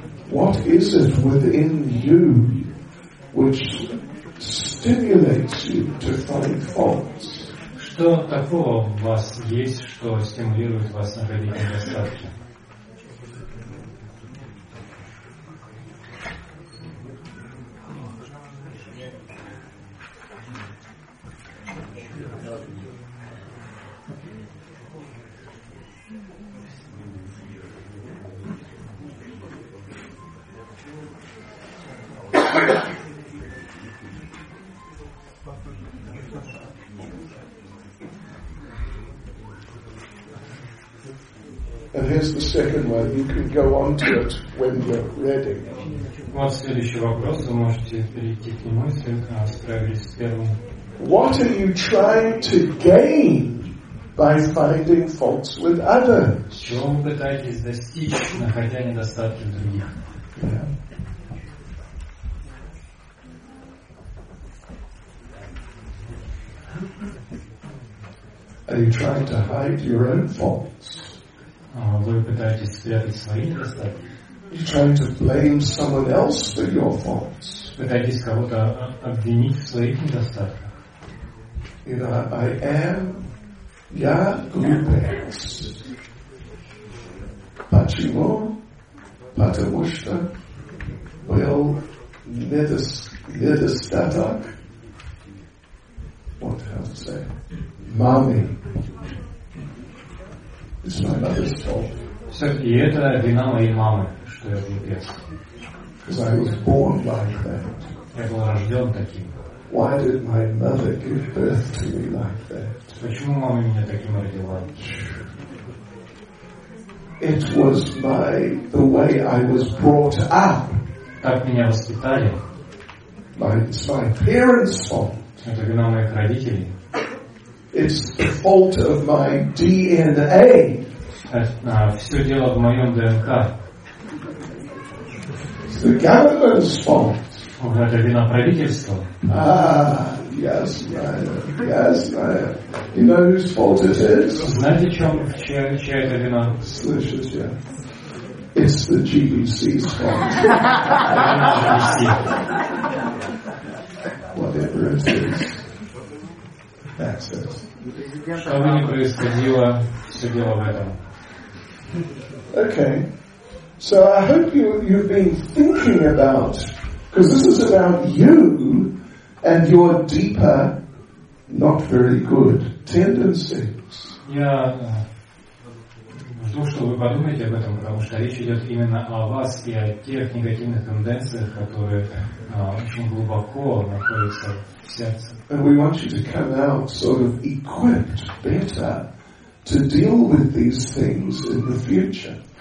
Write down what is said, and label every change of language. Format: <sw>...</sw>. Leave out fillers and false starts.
<en>What is it within you which stimulates you to find faults?</en> <ru>Что такого у вас есть, что стимулирует вас находить недостатки?</ru> <en>The second one, you can go on to it when you're ready.</en> <ru>Вот следующий вопрос, вы можете перейти к нему, если вы справились с первым.</ru> <en>What are you trying to gain by finding faults with others?</en> <ru>Чего вы пытаетесь достичь, находя недостатки в других?</ru> <en>Are you trying to hide your own faults?</en> <ru>Вы пытаетесь спрятать свои недостатки.</ru> <en>You're trying to blame someone else for your faults.</en> <ru>Пытаетесь кого-то обвинить в своих недостатках.</ru> <en>You know, I am,</en> <ru>я глупец. Почему? Потому что был недостаток.</ru> <en>What do I have to say?</en> <ru>Маме.</ru> <en>It's my mother's fault.</en> <ru>Все, и это вина моей мамы, что я глупец.</ru> <en>Because I was born like that.</en> <ru>Я был рожден таким.</ru> <en>Why did my mother give birth to me like that?</en> <ru>Почему мама меня таким родила?</ru> <en>It was my the way I was brought up.</en> <ru>Так меня воспитали.</ru> <en>It's my parents' fault.</en> <ru>Это вина моих родителей.</ru> <en>It's the fault of my DNA.</en> <ru>Все дело в моем ДНК.</ru> <en>It's the government's fault.</en> <ru>Это вина правительства.</ru> <en>Yes, ma'am. You know whose fault it is?</en> <ru>Знаете, чья это вина? Слышите?</ru> <en>It's the GBC's fault. Whatever it is. That's it.</en> <ru>Что бы ни происходило, все дело в этом.</ru> <en>Okay. So I hope you've been thinking about, because this is about you and your deeper, not very good tendencies.</en> <ru>Я жду, что вы подумаете об этом, потому что речь идет именно о вас и о тех негативных тенденциях, которые очень глубоко находятся в сердце.</ru> <en>And we want you to come out sort of equipped better to deal with these things in the future.</en>